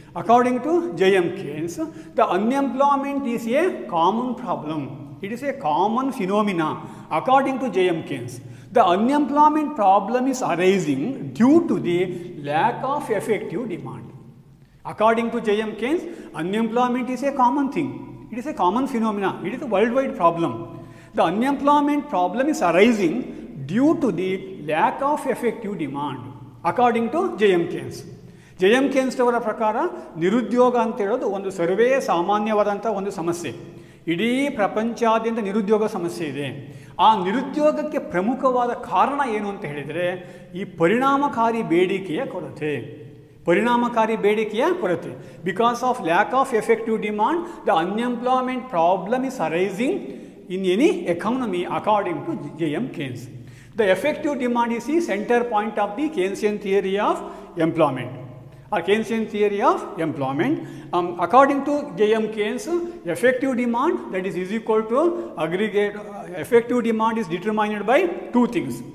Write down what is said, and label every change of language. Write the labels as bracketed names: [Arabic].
[English] According to J M Keynes the unemployment is a common problem. It is a common phenomena. According to J M Keynes the unemployment problem is arising due to the lack of effective demand. According to J M Keynes unemployment is a common thing. It is a common phenomena. It is a world wide problem. The unemployment problem is arising due to the lack of effective demand, according to J.M. Keynes. J.M. [Kannada] Keynes ಅವರ ಪ್ರಕಾರ ನಿರುದ್ಯೋಗ ಅಂತ ಹೇಳೋದು ಒಂದು ಸರ್ವೇ ಸಾಮಾನ್ಯವಾದಂಥ ಒಂದು ಸಮಸ್ಯೆ. ಇಡೀ ಪ್ರಪಂಚಾದ್ಯಂತ ನಿರುದ್ಯೋಗ ಸಮಸ್ಯೆ ಇದೆ. ಆ ನಿರುದ್ಯೋಗಕ್ಕೆ ಪ್ರಮುಖವಾದ ಕಾರಣ ಏನು ಅಂತ ಹೇಳಿದರೆ ಈ ಪರಿಣಾಮಕಾರಿ ಬೇಡಿಕೆಯ ಕೊರತೆ. ಪರಿಣಾಮಕಾರಿ ಬೇಡಿಕೆಯ ಕೊರತೆ. [English] Because of lack of effective demand the unemployment problem is arising in any economy according to J.M. Keynes. The effective demand is the center point of the Keynesian theory of employment or Keynesian theory of employment. According to J.M. Keynes, effective demand, that is equal to aggregate, effective demand is determined by two things.